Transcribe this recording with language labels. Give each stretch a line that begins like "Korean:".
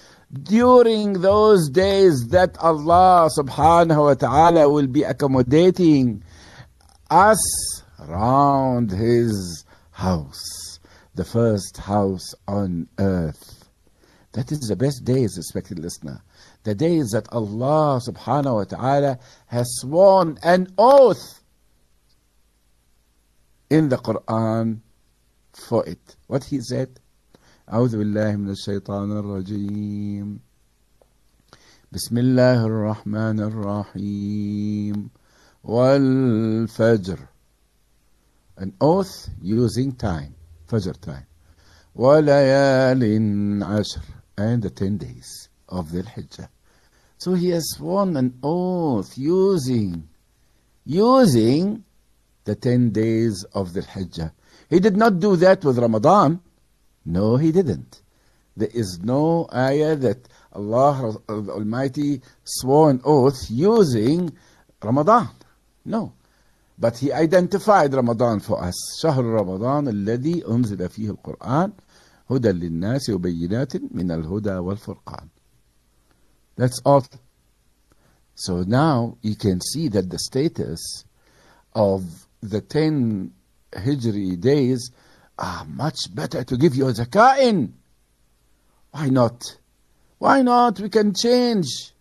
English: During those days that Allah subhanahu wa ta'ala will be accommodating us round His house, the first house on earth. That is the best days, respected listener. The days that Allah subhanahu wa ta'ala has sworn an oath in the Quran for it. What he said?
Arabic: أعوذ بالله من الشيطان الرجيم بسم الله الرحمن الرحيم والفجر.
English: An oath using time, fajr time.
Arabic: وليال عشر,
English: and the 10 days of the Hijjah. So he has sworn an oath using the 10 days of the Hijjah. He did not do that with Ramadan. No, he didn't. There is no ayah that Allah the Almighty swore an oath using Ramadan. No. But he identified Ramadan for us.
Arabic: شهر رمضان الذي أنزل فيه القرآن هدى للناس وبينات من الهدى والفرقان.
English: That's all. So now you can see that the status of the 10 Hijri days are much better to give your zakah in. Why not? Why not? We can change.